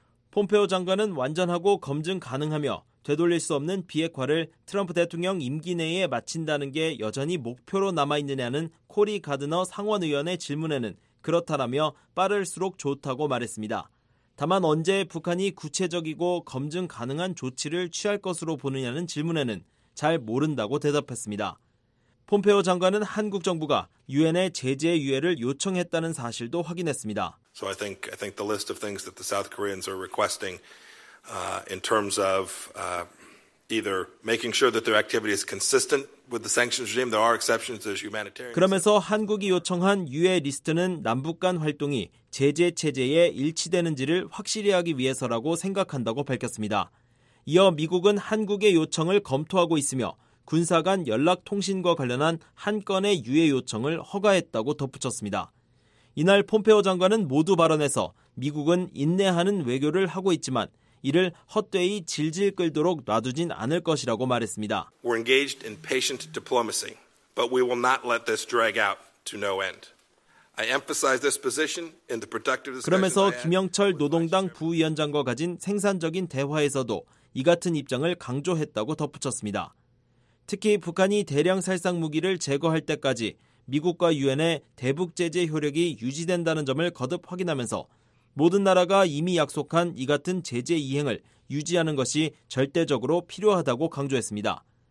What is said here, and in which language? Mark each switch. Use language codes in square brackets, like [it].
[ko] 폼페오 장관은 완전하고 검증 가능하며 되돌릴 수 없는 비핵화를 트럼프 대통령 임기 내에 마친다는 게 여전히 목표로 남아있느냐는 코리 가드너 상원의원의 질문에는 그렇다라며 빠를수록 좋다고 말했습니다. 다만 언제 북한이 구체적이고 검증 가능한 조치를 취할 것으로 보느냐는 질문에는 잘 모른다고 대답했습니다. 폼페오 장관은 한국 정부가 유엔의 제재 유예를 요청했다는 사실도 확인했습니다. [en] So I think the list of things that the South Koreans are requesting in terms of either making sure that their activity is consistent with the sanctions regime, there are exceptions. There's humanitarian. [ko] 그러면서 한국이 요청한 유해 리스트는 남북 간 활동이 제재 체제에 일치되는지를 확실히 하기 위해서라고 생각한다고 밝혔습니다. 이어 미국은 한국의 요청을 검토하고 있으며 군사 간 연락 통신과 관련한 한 건의 유해 요청을 허가했다고 덧붙였습니다. 이날 폼페오 장관은 모두 발언에서 미국은 인내하는 외교를 하고 있지만 이를 헛되이 질질 끌도록 놔두진 않을 것이라고 말했습니다. [en] We're engaged in patient diplomacy, but we will not let this drag out to no end. I emphasize this position in the productive discussion. [ko] 그러면서 김영철 노동당 부위원장과 가진 생산적인 대화에서도 이 같은 입장을 강조했다고 덧붙였습니다. 특히 북한이 대량 살상 무기를 제거할 때까지 미국과 유엔의 대북 제재 효력이 유지된다는 점을 거듭 확인하면서 모든 나라가 이미 약속한 이 같은 제재 이행을 유지하는 것이 절대적으로 필요하다고 강조했습니다.